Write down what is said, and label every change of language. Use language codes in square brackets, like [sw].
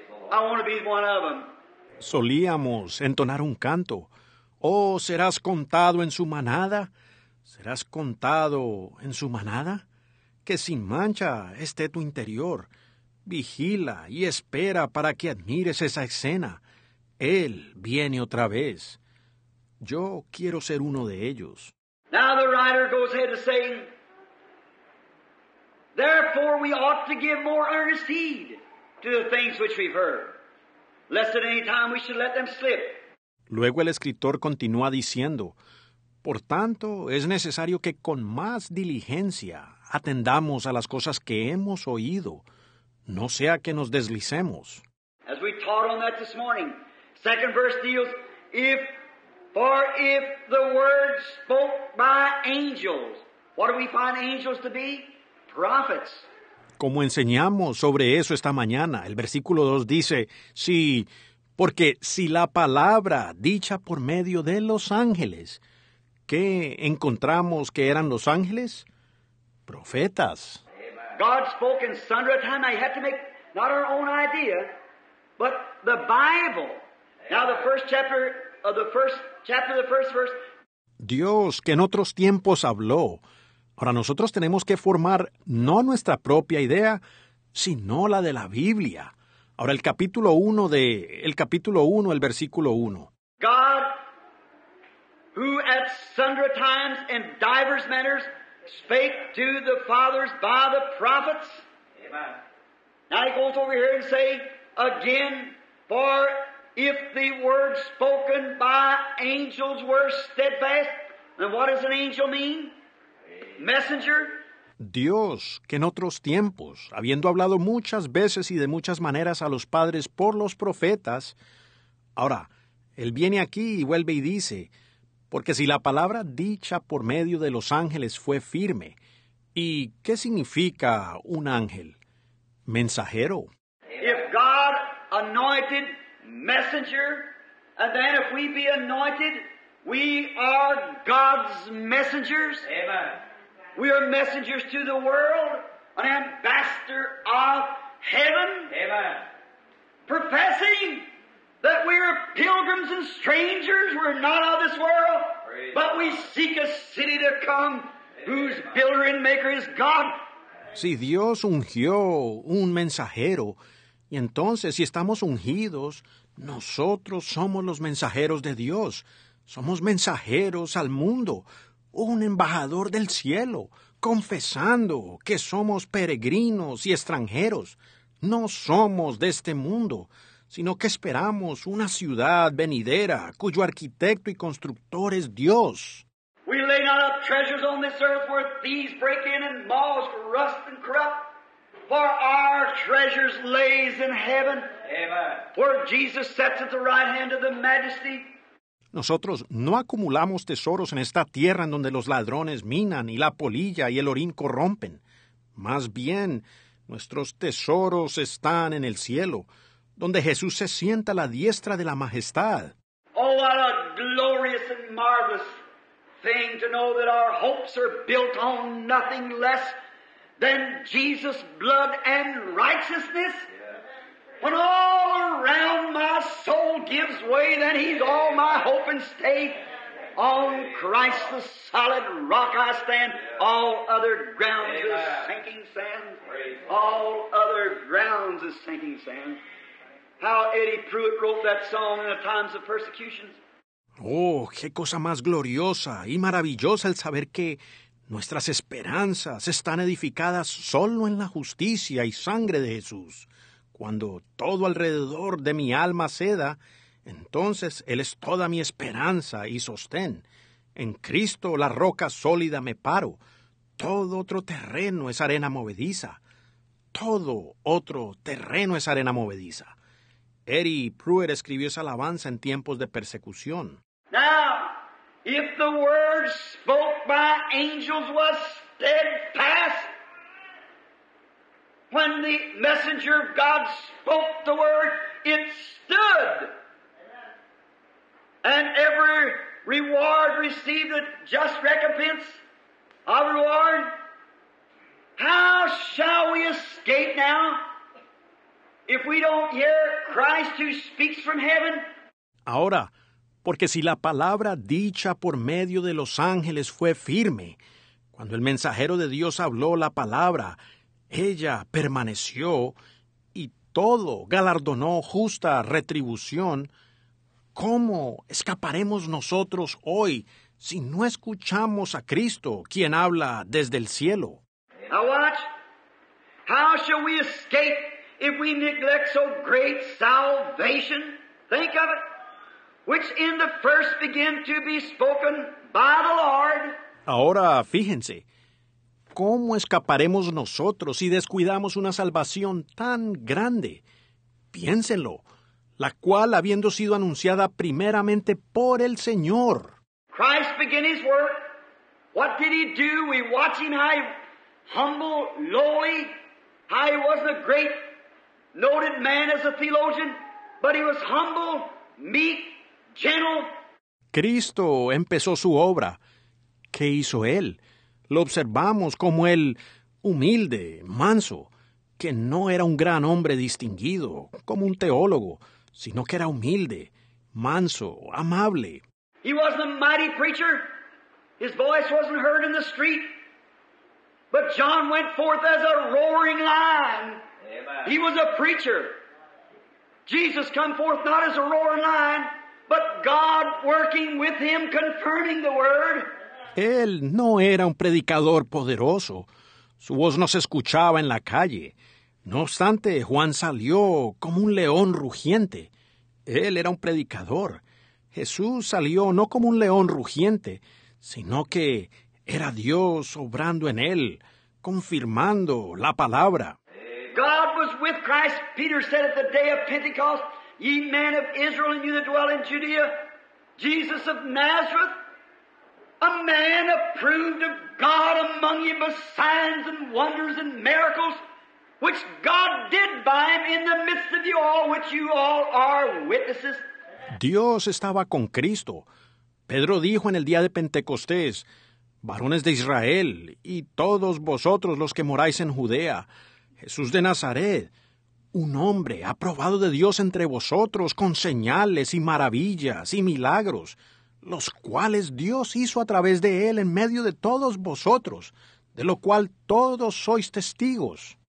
[en] I want to be one of them. [es] Solíamos entonar un canto. Oh, serás contado en su manada. Serás contado en su manada. que sin mancha esté tu interior. Vigila y espera para que admires esa escena. Él viene otra vez. Yo quiero ser uno de ellos. [en] Now the writer goes ahead to say, therefore we ought to give more earnest heed to the things which we've heard, lest at any time we should let them slip. [es] Luego el escritor continúa diciendo, por tanto, es necesario que con más diligencia atendamos a las cosas que hemos oído, no sea que nos deslicemos. [en] As we taught on that this morning, second verse deals, if the word spoke by angels, what do we find angels to be? Prophets. [es] Como enseñamos sobre eso esta mañana, el versículo 2 dice, sí, porque si la palabra dicha por medio de los ángeles, ¿qué encontramos que eran los ángeles? Profetas. [en] God spoke in sundry time. I had to make not our own idea, but the Bible. Now the first chapter of the first chapter of the first verse. [es] Dios que en otros tiempos habló. Ahora nosotros tenemos que formar no nuestra propia idea, sino la de la Biblia. Ahora el capítulo 1 de el capítulo 1, el versículo 1. [en] God who at sundry times and divers manners spake to the fathers by the prophets. Amen. Now he goes over here and say again, for if the words spoken by angels were steadfast, then what does an angel mean? Messenger. [es] Dios, que en otros tiempos, habiendo hablado muchas veces y de muchas maneras a los padres por los profetas, ahora, él viene aquí y vuelve y dice, porque si la palabra dicha por medio de los ángeles fue firme, ¿y qué significa un ángel? Mensajero. [en] If God anointed messenger, and then if we be anointed, we are God's messengers. Amen. We are messengers to the world, an ambassador of heaven. Amen. Professing that we are pilgrims and strangers, we're not of this world, but we seek a city to come whose builder and maker is God. [es] Si Dios ungió un mensajero, y entonces si estamos ungidos, nosotros somos los mensajeros de Dios. Somos mensajeros al mundo, un embajador del cielo, confesando que somos peregrinos y extranjeros. No somos de este mundo, sino que esperamos una ciudad venidera cuyo arquitecto y constructor es Dios. [en] We lay not up treasures on this earth where thieves break in and moths rust and corrupt. For our treasures lays in heaven. Amen. Where Jesus sits at the right hand of the majesty. [es] Nosotros no acumulamos tesoros en esta tierra en donde los ladrones minan y la polilla y el orín corrompen. Más bien, nuestros tesoros están en el cielo, donde Jesús se sienta a la diestra de la majestad. [en] Oh, what a glorious and marvelous thing to know that our hopes are built on nothing less than Jesus' blood and righteousness. When all around my soul gives way, then he's all my hope and stay. On Christ the solid rock I stand. All other grounds is sinking sand. All other grounds is sinking sand. How Eddie Pruitt wrote that song in the times of persecutions. [es] Oh, qué cosa más gloriosa y maravillosa el saber que nuestras esperanzas están edificadas solo en la justicia y sangre de Jesús. Cuando todo alrededor de mi alma ceda, entonces Él es toda mi esperanza y sostén. En Cristo la roca sólida me paro. Todo otro terreno es arena movediza. Todo otro terreno es arena movediza. Eddie Pruitt escribió esa alabanza en tiempos de persecución. [en] Now, if the word spoke by angels was steadfast, when the messenger of God spoke the word, it stood. And every reward received a just recompense, our reward. How shall we escape now if we don't hear Christ who speaks from heaven? [es] Ahora, porque si la palabra dicha por medio de los ángeles fue firme, Cuando el mensajero de Dios habló la palabra, ella permaneció y todo galardonó justa retribución. ¿Cómo escaparemos nosotros hoy si no escuchamos a Cristo, quien habla desde el cielo? [en] Now watch. How shall we escape if we neglect so great salvation? Think of it. Which in the first began to be spoken by the Lord. [es] Ahora, fíjense, ¿cómo escaparemos nosotros si descuidamos una salvación tan grande? Piénsenlo, la cual habiendo sido anunciada primeramente por el Señor. [en] Christ began his work. What did he do? We watch him, how he humble, lowly, how he was a great, noted man as a theologian, but he was humble, meek, gentle. [es] Cristo empezó su obra. ¿Qué hizo él? Lo observamos como el humilde, manso, que no era un gran hombre distinguido, como un teólogo, sino que era humilde, manso, amable. [en] He wasn't a mighty preacher. His voice wasn't heard in the street. But John went forth as a roaring lion. Amen. He was a preacher. Jesus come forth not as a roaring lion, but God working with him, confirming the word. [es] Él no era un predicador poderoso. Su voz no se escuchaba en la calle. No obstante, Juan salió como un león rugiente. Él era un predicador. Jesús salió no como un león rugiente, sino que era Dios obrando en él, confirmando la palabra. [en] God was with Christ. Peter said at the day of Pentecost, ye men of Israel and you that dwell in Judea, Jesus of Nazareth, a man approved of God among you by signs and wonders and miracles, which God did by him in the midst of you all, which you all are witnesses. [es] Dios estaba con Cristo. Pedro dijo en el día de Pentecostés, varones de Israel y todos vosotros los que moráis en Judea, Jesús de Nazaret, un hombre aprobado de Dios entre vosotros con señales y maravillas y milagros, los cuales Dios hizo a través de él en medio de todos vosotros, de lo cual todos sois testigos.